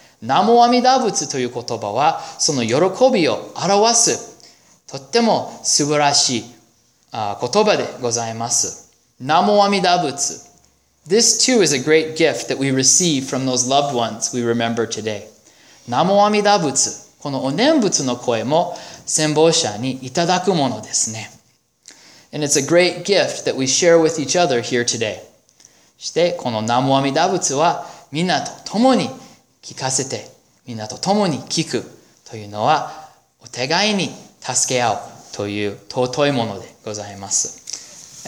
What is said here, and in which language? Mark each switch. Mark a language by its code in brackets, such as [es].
[ja] 南無阿弥陀仏という言葉はその喜びを表すとっても素晴らしい言葉でございます。南無阿弥陀仏。 [en] This too is a great gift that we receive from those loved ones we remember today. [ja] 南無阿弥陀仏。このお念仏の声も先方者にいただくものですね。 [en] And it's a great gift that we share with each other here today. [ja] して、この南無阿弥陀仏はみんなと共に聞かせて、みんなと共に聞くというのは、お互いに助け合うという尊いものでございます。